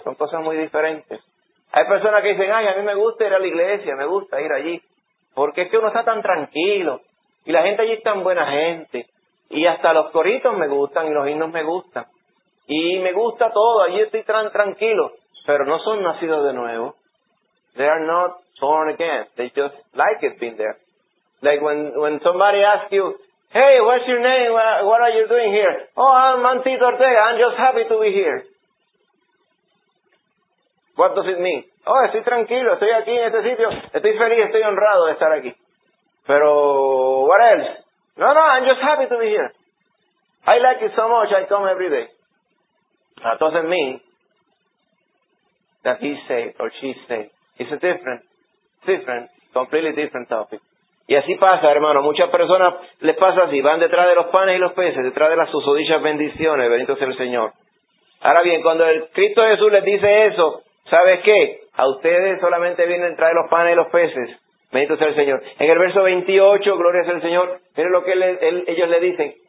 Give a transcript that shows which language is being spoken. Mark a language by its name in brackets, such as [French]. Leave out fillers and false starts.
[Spanish] Son cosas muy diferentes. Hay personas que dicen, ay, a mí me gusta ir a la iglesia, me gusta ir allí. Porque es que uno está tan tranquilo, y la gente allí es tan buena gente. Y hasta los coritos me gustan, y los himnos me gustan. Y me gusta todo, allí estoy tranquilo. Pero no son nacidos de nuevo. [English] They are not born again. They just like it being there. Like when somebody asks you, hey, what's your name? What are you doing here? Oh, I'm Mantito Ortega. I'm just happy to be here. What does it mean? Oh, [Spanish] estoy tranquilo. Estoy aquí en este sitio. Estoy feliz. Estoy honrado de estar aquí. [English] Pero, what else? No, I'm just happy to be here. I like it so much. I come every day. That doesn't mean that he said or she said. It's a different, completely different topic. [Spanish] Y así pasa, hermano. Muchas personas les pasa así. Van detrás de los panes y los peces, detrás de las susodichas bendiciones. Bendito sea el Señor. Ahora bien, cuando el Cristo Jesús les dice eso, ¿sabes qué? A ustedes solamente vienen detrás de los panes y los peces. Bendito sea el Señor. En el verso 28, gloria sea el Señor, miren lo que ellos le dicen.